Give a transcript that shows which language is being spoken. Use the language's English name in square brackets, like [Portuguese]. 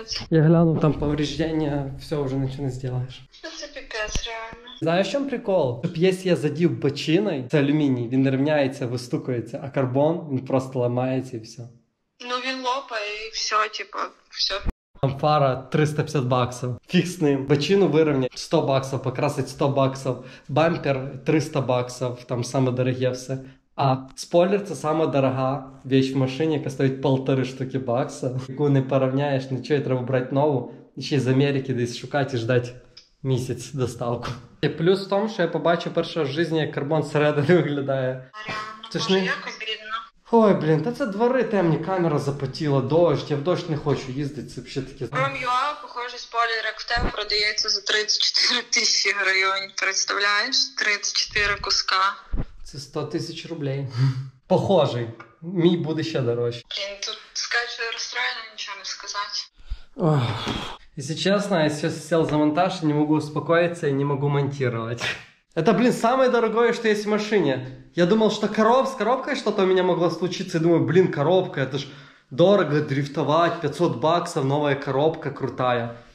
[Russian] Я гляну, там повреждения, все уже ничего не сделаешь. Это пипец, реально. Знаешь, в чем прикол? Если я [Ukrainian] задів бочиной, [Russian] это алюминий, [Ukrainian] він рівняється, вистукується, а карбон, він просто ламається і все. Ну, він лопає і все, типа, все. [Russian] Там фара 350 баксов. Фиг с ним. Бочину выровнять 100 баксов, покрасить 100 баксов. Бампер 300 баксов, там самые дорогие все. [Ukrainian] А спойлер це сама дорога вещь в машині, яка стоїть 1500 бакса, яку не порівняєш, нічого, треба брати нову, ще й з Америки десь шукати і ждати місяць доставку. І плюс в тому, що я побачу перше в житті, як карбон зсередини виглядає. Це ж не... якось бідно. Ой, блін, та це двори темні, камера запотіла, дощ, я в дощ не хочу їздити, це взагалі таке... Ром.ua, похожий спойлер, як в тебе, продається за 34 тисячі гривень, представляєш? 34 куска. Це 100 тисяч рублей. Похожий. Мій буде ще дорожче. Блін, тут скачу розстроєно, нічого не сказати. Ох. [Russian] Если честно, я сейчас сел за монтаж, не могу успокоиться и не могу монтировать. Это, блин, самое дорогое, что есть в машине. Я думал, что с коробкой что-то у меня могло случиться. Я думаю, блин, коробка, это ж дорого дрифтовать, 500 баксов, новая коробка крутая.